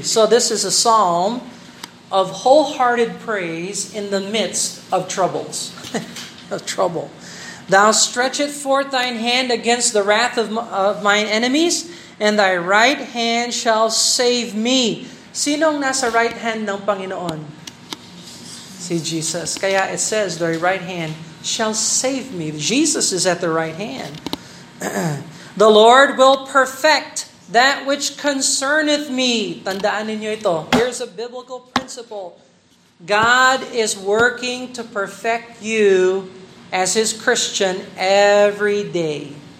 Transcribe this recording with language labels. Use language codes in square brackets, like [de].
[en] So this is a psalm of wholehearted praise in the midst of troubles. Of trouble. Thou stretchest forth thine hand against the wrath of mine enemies, and thy right hand shall save me. [tl] Sinong nasa right hand ng Panginoon? Si Jesus. [en] Kaya it says, thy right hand shall save me. Jesus is at the right hand. The Lord will perfect that which concerneth me. [tl] Tandaan ninyo ito. [en] Here's a biblical principle. God is working to perfect you as his Christian every day.